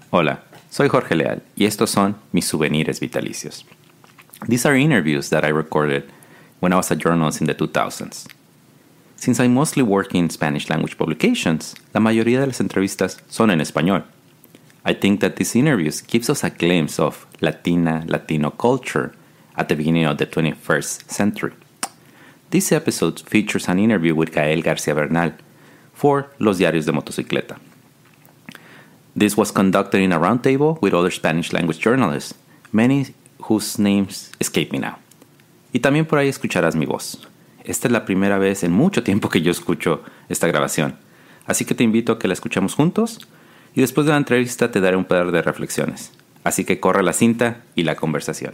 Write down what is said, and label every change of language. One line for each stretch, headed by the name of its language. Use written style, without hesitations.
Spanish: Hola, soy Jorge Leal y estos son mis souvenirs vitalicios.
English: These are interviews that I recorded when I was a journalist in the 2000s. Since I mostly work in Spanish language publications,
Spanish: la mayoría de las entrevistas son en español.
English: I think that these interviews gives us a glimpse of Latino culture at the beginning of the 21st century. This episode features an interview with Gael Garcia Bernal for Los Diarios de Motocicleta. This was conducted in a roundtable with other Spanish language journalists, many whose names escape me now.
Spanish: Y también por ahí escucharás mi voz. Esta es la primera vez en mucho tiempo que yo escucho esta grabación, así que te invito a que la escuchemos juntos y después de la entrevista te daré un par de reflexiones. Así que corre la cinta y la conversación.